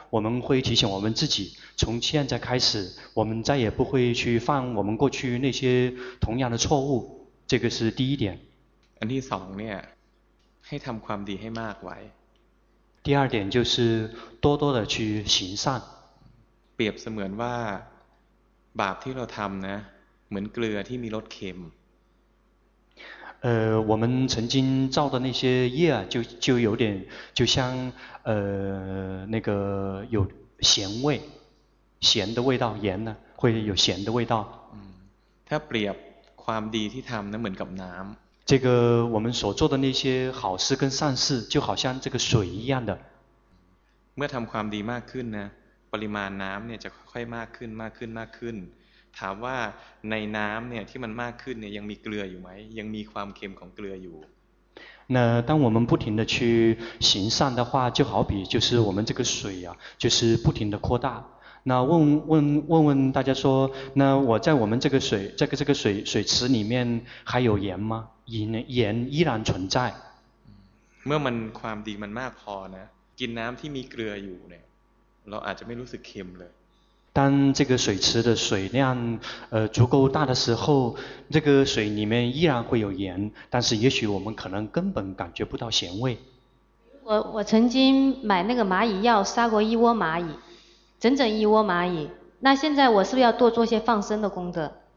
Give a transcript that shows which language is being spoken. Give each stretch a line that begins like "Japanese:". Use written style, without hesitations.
Chinese: 我们会提醒我们自己，从现在开始，我们再也不会去犯我们过去那些同样的错误。这个是第一点。
Thai: อันที่สองเนี่ยให้ทำความดีให้มากไว้
Chinese: 第二点就是多多的去行善
Thai: เปรียบเสมือนว่าบาปที่เราทำนะเหมือนเกลือที่มีรสเค็ม
Chinese: 我们曾经造的那些业就有点就像那个有咸味咸的味道盐呢会有咸的味道
Thai: ถ้าเปรียบความดีที่ทำนะเหมือนกับน้ำ
Chinese: 这个我们所做的那些好事跟善事就好像这个水一样的
Thai: เมื่อทำความดีมากขึ้นนะปริมาณน้ำเนี่ยจะค่อยๆมากขึ้นมากขึ้นมากขึ้นถามว่าในน้ำเนี่ยที่มันมากขึ้นเนี่ยยังมีเกลืออยู่ไหมยังมีความเค็มของเกลืออยู่
Chinese: 那当我们不停的去行善的话就好比就是我们这个水啊就是不停的扩大那问大家说那我在我们这个水这个水池里面还有盐吗盐依然存在
Thai: เมื่อมันความดีมันมากพอนะกินน้ำที่มีเกลืออยู่เนี่ยเราอาจจะไม่รู้สึกเค็มเลย
Chinese: 当这个水池的水量足够大的时候这个水里面依然会有盐但是也许我们可能根本感觉不到咸味我曾经买那个蚂蚁药杀过一窝蚂蚁整整一窝蚂蚁那现在我是不是要多做些放生的功德